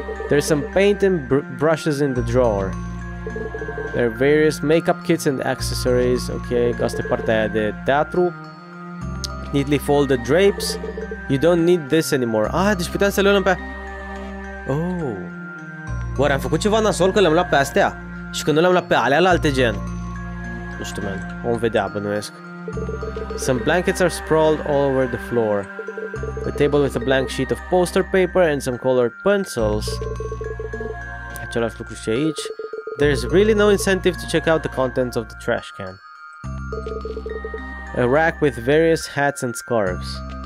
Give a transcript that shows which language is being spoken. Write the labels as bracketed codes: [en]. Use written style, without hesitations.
[en] There's some paint and brushes in the drawer. There are various makeup kits and accessories. [ro] Ok, că asta e partea aia de teatru. [en] Neatly folded drapes. You don't need this anymore. [ro] Ah, deci puteam să le luăm pe... Oh. Oare am făcut ceva nasol că le-am luat pe astea? Și că nu le-am luat pe alea la alte gen? Nu știu, man. O vedea, bănuiesc. [en] Some blankets are sprawled all over the floor. A table with a blank sheet of poster paper and some colored pencils. [ro] Același lucru și aici. [en] There's really no incentive to check out the contents of the trash can. A rack with various hats and scarves.